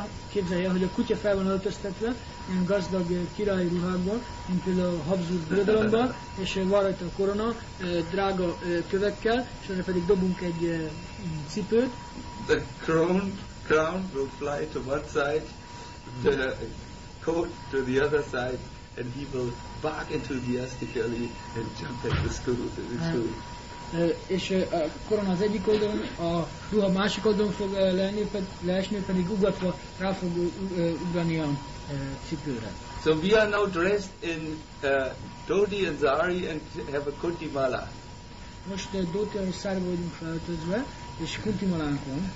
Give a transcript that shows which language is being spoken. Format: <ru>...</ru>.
<hu>Képzelje, hogy a kutya fel van öltöztetve, ilyen gazdag királyi ruhákban, mint például a Habsburg birodalomban, és van rajta a korona, drága kövekkel, és erre pedig dobunk egy cipőt.</hu> <en>The crown will fly to one side, the coat to the other side, and he will bark enthusiastically and jump at the shoe.</en> <hu>És a korona az egyik oldalon, a ruha másik oldalon fog leesni, pedig ugatva rá fog ugrani a cipőre.</hu> <en>So we are now dressed in dhoti and zari and have a kunti mala.</en> <hu>Most dhoti and zari vagyunk felöltözve, és kunti malánk van.</hu>